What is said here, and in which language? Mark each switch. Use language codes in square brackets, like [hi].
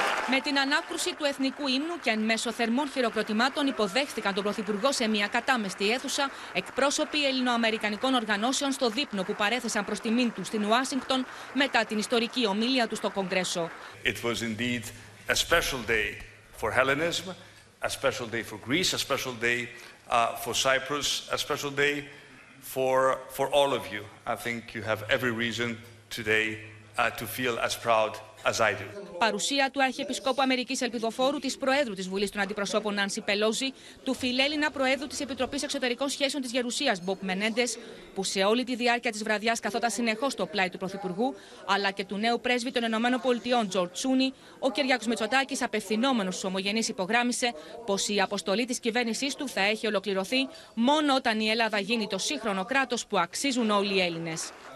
[el] Με την ανάκρουση του εθνικού ύμνου και εν μέσω θερμών χειροκροτημάτων υποδέχθηκαν τον Πρωθυπουργό σε μια κατάμεστη αίθουσα εκπρόσωποι ελληνοαμερικανικών οργανώσεων στο δείπνο που παρέθεσαν προς τιμήν του στην Ουάσιγκτον μετά την ιστορική ομιλία του στο Κογκρέσο. [en] It was indeed a special day for Hellenism, a special day for Greece, a special day for Cyprus, a special day for all of you. I think you have every reason today to feel as proud as I do. [el] Παρουσία του Αρχιεπισκόπου Αμερικής Ελπιδοφόρου, της Προέδρου της Βουλής των Αντιπροσώπων Νάνση Πελόζη, του Φιλέλληνα Προέδρου της Επιτροπής Εξωτερικών Σχέσεων της Γερουσίας Μπομπ Μενέντες, που σε όλη τη διάρκεια της βραδιάς καθόταν συνεχώς στο πλάι του Πρωθυπουργού, αλλά και του νέου πρέσβη των ΗΠΑ Τζορτζ Τσούνι, ο Κυριάκος Μητσοτάκης, απευθυνόμενος στους ομογενείς, υπογράμμισε πως η αποστολή της κυβέρνησής του θα έχει ολοκληρωθεί μόνο όταν η Ελλάδα γίνει το σύγχρονο κράτος που αξίζουν όλοι οι Έλληνες.